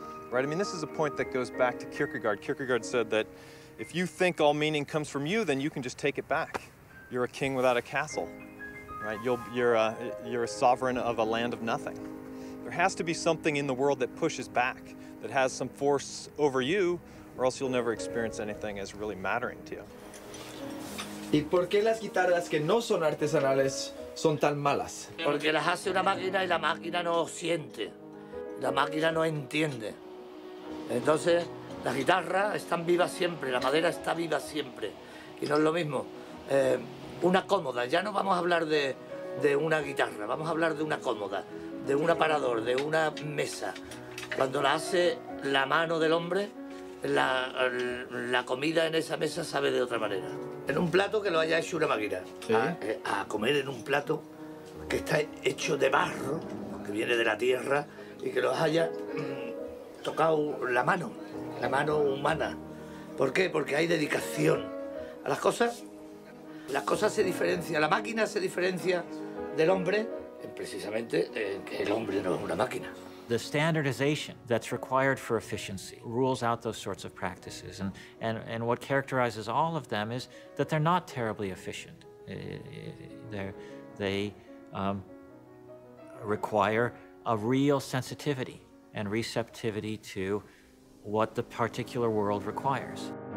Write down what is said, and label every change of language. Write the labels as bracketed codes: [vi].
[en] Right? I mean, this is a point that goes back to Kierkegaard. Kierkegaard said that if you think all meaning comes from you, then you can just take it back. You're a king without a castle, right? You're a sovereign of a land of nothing. There has to be something in the world that pushes back, that has some force over you, or else you'll never experience anything as really mattering to you. [es] ¿Y por qué las guitarras que no son artesanales son tan malas? Porque las hace una máquina y la máquina no siente. La máquina no entiende. Entonces, las guitarras están vivas siempre, la madera está viva siempre. Y no es lo mismo. Una cómoda, ya no vamos a hablar de una guitarra, vamos a hablar de una cómoda, de un aparador, de una mesa. Cuando la hace la mano del hombre, la comida en esa mesa sabe de otra manera. En un plato que lo haya hecho una máquina. ¿Sí? A comer en un plato que está hecho de barro, que viene de la tierra, y que los haya tocado la mano humana. ¿Por qué? Porque hay dedicación a las cosas. Las cosas se diferencian, la máquina se diferencia del hombre, precisamente en que el hombre no es una máquina. [en] The standardization that's required for efficiency rules out those sorts of practices. And what characterizes all of them is that they're not terribly efficient. They require a real sensitivity and receptivity to what the particular world requires.